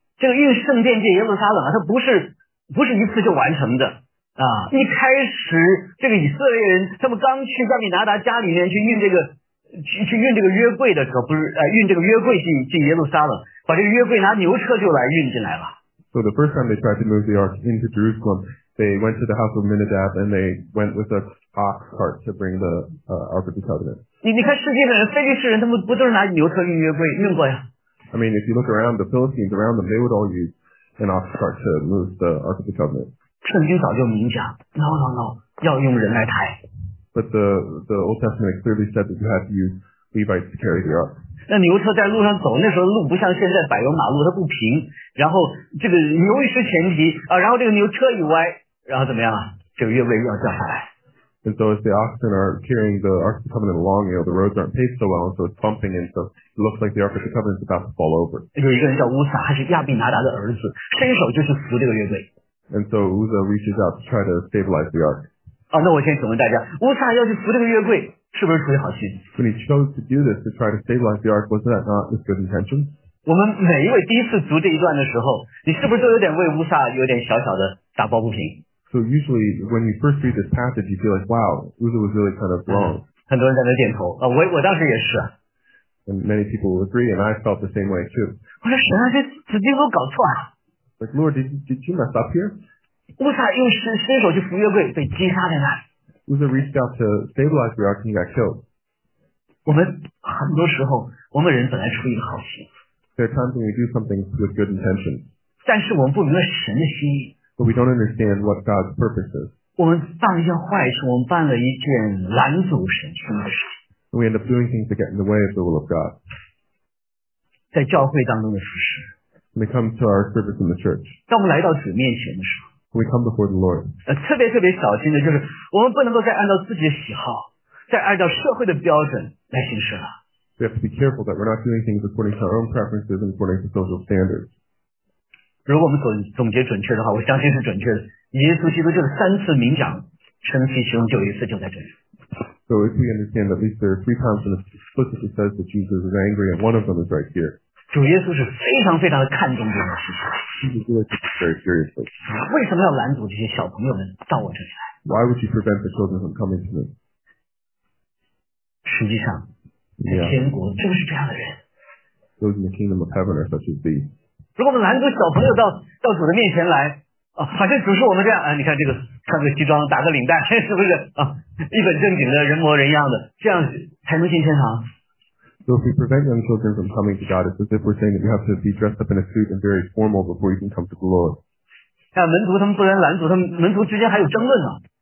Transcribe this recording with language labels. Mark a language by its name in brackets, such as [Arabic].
[Chinese] 这个御圣殿进耶路撒冷啊，它不是一次就完成的。一开始这个以色列人他们刚去亚比拿达家里面去运这个 运这个约柜进耶路撒冷，把这个约柜拿牛车就来运进来了。 [English] So the first time they tried to move the ark into Jerusalem, they went to the house of Minadab and they went with a ox cart to bring the ark of the covenant. [Chinese] 你看世界的人，非利士人他们不都是拿牛车运约柜运过呀？ [English] I mean, if you look around, the Philistines around them, they would all use an ox cart to move the ark of the covenant. [Chinese] 圣经早就明讲 ， [English] no， [Chinese] 要用人来抬。 [English] But the Old Testament clearly said that you had to use Levites to carry the ark. [Chinese] 那牛车在路上走，那时候路不像现在柏油马路，它不平。然后这个牛一失前蹄啊，然后这个牛车一歪，然后怎么样？这个约柜要掉下来。 [English] And so as the oxen are carrying the ark of the covenant along, you know the roads aren't paved so well, and so it's bumping, and so it looks like the ark of the covenant is about to fall over. [Chinese] 有一个人叫乌撒，他是亚比拿达的儿子，伸手就是扶这个约柜。 [English] And so Uzzah reaches out to try to stabilize the ark. [Chinese] 啊，那我先请问大家，乌撒要去扶这个约柜，是不是出于好心 [English] ？When he chose to do this to try to stabilize the ark, was that not with good intention? [Chinese] 我们每一位第一次读这一段的时候，你是不是都有点为乌撒有点小小的打抱不平 [English] ？So usually when you first read this passage, you feel like, wow, Uzzah was really kind of wrong. [Chinese] 很多人在那点头啊，我当时也是。 [English] And many people agree, and I felt the same way too. [Chinese] 我说神啊，这子弟都搞错啊。 [English] Like, Lord, did you mess up here? [Chinese] Uzzah 用伸手去扶约柜，被击杀在那。 [English] Uzzah reached out to stabilize the ark and got killed. [Chinese] 我们很多时候，我们人本来出于好心。 [English] There are times when we do something with good intention. [Chinese] 但是我们不明白神的心意。 [English] But we don't understand what God's purpose is. [Chinese] 我们办了一件坏事，我们办了一件拦阻神心的事。 [English] And we end up doing things that get in the way of the will of God. [Chinese] 在教会当中的服事。 [English] When we come to our service in the church, [Chinese] 当我们来到主面前的时候 [English] ，When we come before the Lord, [Chinese] 特别特别小心的就是，我们不能够再按照自己的喜好，再按照社会的标准来行事了。 [English] We have to be careful that we're not doing things according to our own preferences and according to social standards. [Chinese] 如果我们总结准确的话，我相信是准确的。耶稣基督就是三次明讲，生气其中就有一次就在这里。 [English] So if we understand at least there are three times when it explicitly says that Jesus is angry, and one of them is right here. [Chinese] 主耶稣是非常非常的看重这件事情。为什么要拦阻这些小朋友们到我这里来 [English] ？Why would you prevent the children from coming to me？ [Chinese] 实际上， yeah. 天国就是这样的人。 [English] Those in the kingdom of heaven are such as these。 [Chinese] 如果我们拦阻小朋友到主的面前来，啊，反正主是我们这样，啊，你看这个穿个西装打个领带，是不是啊？一本正经的人模人样的，这样才能进天堂。 [English] So if we prevent young children from coming to God, it's as if we're saying that you have to be dressed up in a suit and very formal before you can come to the Lord. [Chinese] 看门徒他们不然拦阻他们，门徒之间还有争论啊。